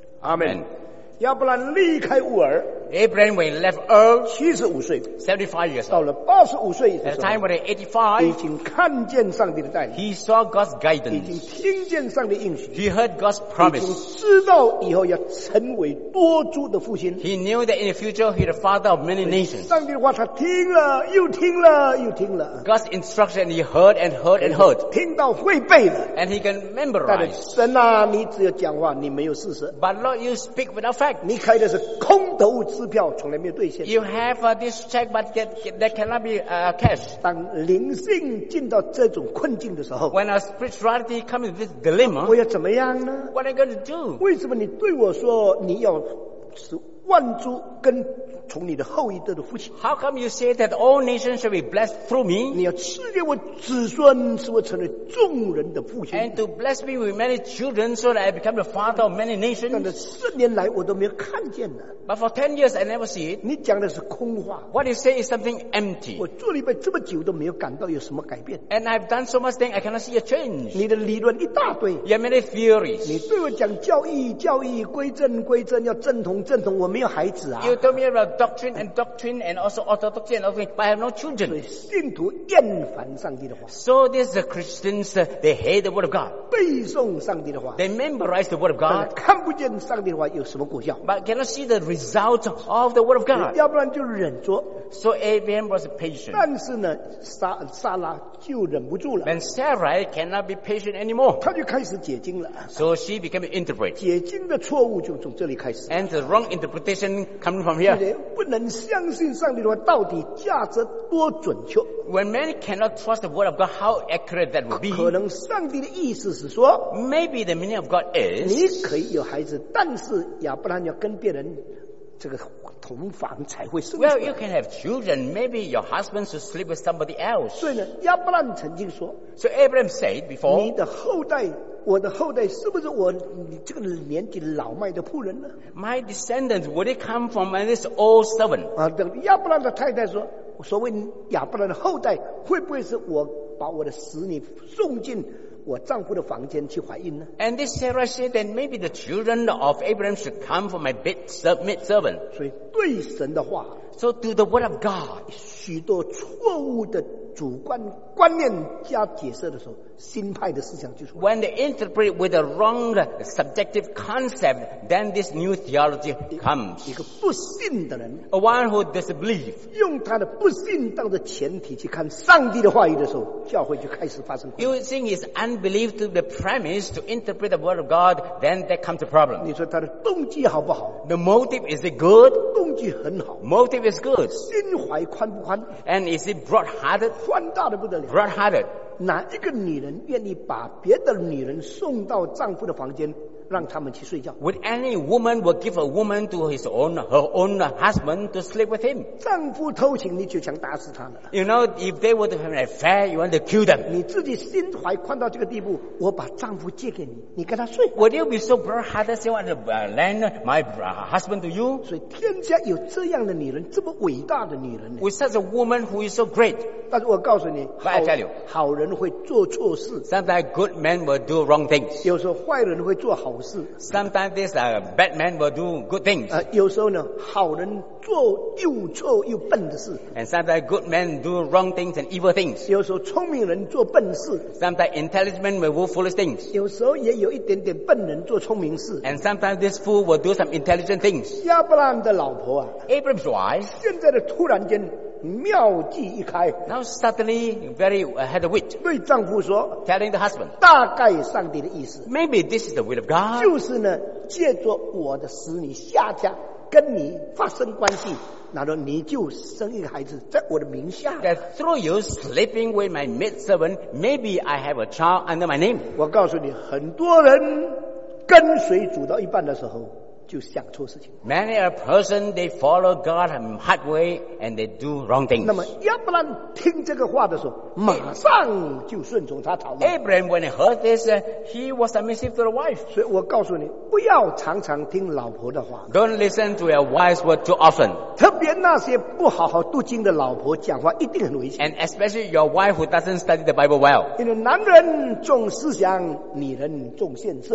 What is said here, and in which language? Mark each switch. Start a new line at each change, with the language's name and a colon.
Chinese: Amen. 亚伯兰离开乌尔。
English: Abraham when left Ur,
Chinese: 75岁
English: 75 years old.
Chinese: 到了85岁的时候
English: ，at the time when he 85,
Chinese: 已经看见上帝的带领。
English: He saw God's guidance.
Chinese: 已经听见上帝应许。
English: He heard God's promise.
Chinese: 已经知道以后要成为多族的父亲。
English: He knew that in the future he the father of many nations.
Chinese: 上帝的话他听了又听了又听了。
English: God's instruction he heard and heard and heard.
Chinese: 听到会背了。
English: And he can memorize.
Chinese: 神啊，你只有讲话，你没有事实。
English: But Lord, you speak without fact.
Chinese: 你开的是空头物。支票从来没有兑现。
English: You have this check, but that cannot be cash.
Chinese: 当灵性进到这种困境的时候
English: ，When a spirituality comes into this dilemma,
Chinese: 我要怎么样呢
English: ？What am I going to do?
Chinese: 为什么你对我说你要使万族跟从你的后裔得的福气
English: ？How come you say that all nations shall be blessed through me?
Chinese: 你要赐给我子孙，使我成为众人的父亲。
English: And to bless me with many children, so that I become the father of many nations.
Chinese: 但是10年来我都没有看见呢。
English: But for 10 years, I never see it.
Chinese: 你讲的是空话。
English: What you say is something empty.
Chinese: 我做礼拜这么久都没有感到有什么改变。
English: And I've done so much thing, I cannot see a change.
Chinese: 你的理论一大堆。
English: You have many theories.
Chinese: 你对我讲教义，教义归正归正，要正统正统，我没有孩子啊。
English: You told me about doctrine and doctrine and also orthodoxy and everything, but I have no children.
Chinese: 所以信徒厌烦上帝的话。
English: So these Christians, they hate the word of God.
Chinese: 背诵上帝的话。
English: They memorize the word of God.
Chinese: 看不见上帝的话有什么果效。
English: But cannot see the result. Result of the word of God.
Chinese: 要不然就忍着。
English: So Abraham was patient.
Chinese: 但是呢，撒拉就忍不住了。
English: And Sarah cannot be patient anymore.
Chinese: 她就开始解经了。
English: So she became an interpreter.
Chinese: 解经的错误就从这里开始。
English: And the wrong interpretation coming from here.
Chinese: 不能相信上帝的话到底价值多准确。
English: When many cannot trust the word of God, how accurate that would be?
Chinese: 可能上帝的意思是说
English: ，Maybe the meaning of God is.
Chinese: 你可以有孩子，但是亚伯兰要跟别人。这个同房才会生。
English: Well, you can have children. Maybe your husband should sleep with somebody else.
Chinese: 所以呢，亚伯兰曾经说。
English: So Abraham said before.
Chinese: 你的后代，我的后代，是不是我你这个年纪老迈的仆人呢
English: ？My descendants would it come from this old servant?
Chinese: 啊，等亚伯兰的太太说，所谓亚伯兰的后代，会不会是我把我的使女送进？我丈夫的房间去怀孕呢
English: ？And this Sarah said that maybe the children of Abraham should come for my maid servant.
Chinese: 所以对神的话
English: ，So to the word of God，
Chinese: 许多错误的主观观念加解释的时候，新派的思想就出来。
English: When they interpret with a wrong subjective concept, then this new theology comes.
Chinese: 一个不信的人
English: ，A one who disbelieves，
Chinese: 用他的不信当作前提去看上帝的话语的时候，教会就开始发生。
English: Using his unbelief to the premise to interpret the word of God, then there comes a problem.
Chinese: 你说他的动机好不好
English: ？The motive is it good？
Chinese: 动机很好。
English: Motive is good。
Chinese: 心怀宽不宽
English: ？And is it broad-hearted？
Chinese: 宽大的不得了。
English: Broad-hearted。
Chinese: 哪一个女人愿意把别的女人送到丈夫的房间，让他们去睡觉
English: ？Would any woman would give a woman to his own her own husband to sleep with him？
Chinese: 丈夫偷情，你就想打死他了。
English: You know, if they were to have an affair, you want to kill them。
Chinese: 你自己心怀宽到这个地步，我把丈夫借给你，你跟他睡。
English: Would you be so broad-hearted as you want to lend my husband to you？
Chinese: 所以天下有这样的女人，这么伟大的女人。
English: With such a woman who is so great。
Chinese: 但是我告诉你
English: ，But I tell you，
Chinese: 好人会做错事。
English: Sometimes good men will do wrong things。
Chinese: 有时候坏人会做好。
English: Sometimes this bad man will do good things.
Chinese: 有时候呢，好人做又错又笨的事。
English: And sometimes good men do wrong things and evil things.
Chinese: 有时候聪明人做笨事。
English: Sometimes intelligent men will do foolish things.
Chinese: 有时候也有一点点笨人做聪明事。
English: And sometimes this fool will do some intelligent things.
Chinese: 亚伯兰的老婆啊
English: ，Abraham's wife，
Chinese: 现在的突然间妙计一开。
English: Now suddenly very had a wit.
Chinese: 对丈夫说
English: ，telling the husband，
Chinese: 大概上帝的意思。
English: Maybe this is the will of God.
Chinese: 就是呢，借着我的使女夏甲跟你发生关系，然后你就生一个孩子在我的名下。
English: That through you sleeping with my maid servant, maybe I have a child under my name.
Chinese: 我告诉你，很多人跟随主到一半的时候就想错事情。
English: Many a person they follow God hard way and they do wrong things.
Chinese: 那么亚伯兰听这个话的时候，马上就顺从他讨论。
English: Abraham when he heard this, he was submissive to the wife.
Chinese: 所以我告诉你，不要常常听老婆的话。
English: Don't listen to your wife's word too often.
Chinese: 特别那些不好好读经的老婆讲话一定很危险。
English: And especially your wife who doesn't study the Bible well.
Chinese: 因为男人重思想，女人重现实。